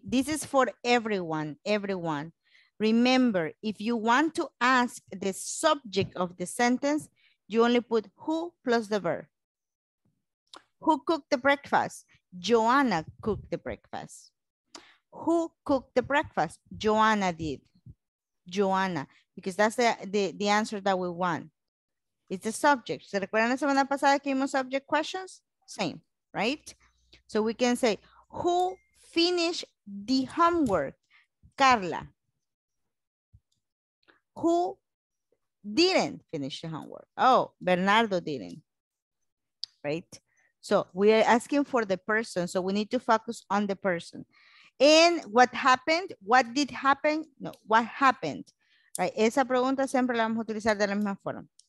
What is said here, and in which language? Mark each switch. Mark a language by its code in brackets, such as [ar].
[en] This is for everyone. Everyone. Remember, if you want to ask the subject of the sentence, you only put who plus the verb. Who cooked the breakfast? Joanna cooked the breakfast. Who cooked the breakfast? Joanna did. Joanna, because that's the answer that we want. It's the subject. [es] ¿Se recuerdan la semana pasada que vimos subject questions? [en] Same, right? So we can say, who finished the homework? Carla. Who didn't finish the homework? Oh, Bernardo didn't, right? So we are asking for the person. So we need to focus on the person. And what happened? What did happen? No, what happened? Right. [es] Esa pregunta siempre la vamos a utilizar de la misma forma.